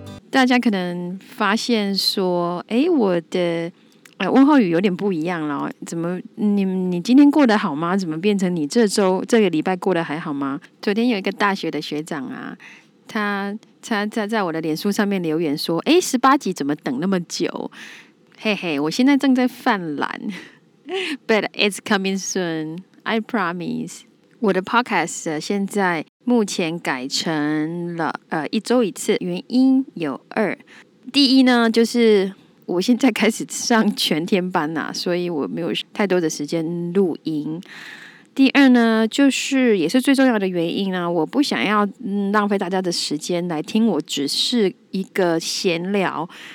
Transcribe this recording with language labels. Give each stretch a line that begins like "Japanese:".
Chinese: 大家可能发现说，我的问候语有点不一样了，怎么你今天过得好吗？怎么变成你这周这个礼拜过得还好吗？昨天有一个大学的学长啊，他在我的脸书上面留言说，十八集怎么等那么久？嘿嘿，我现在正在犯懒，
English: But it's coming soon, I promise。
Chinese: 我的 podcast 现在目前改成了一周一次，原因有二，第一呢就是。我现在开始上全天班啦，所以我没有太多的时间录音。第二呢，就是也是最重要的原因呢，我不想要浪费大家的时间来听我只是一个闲聊。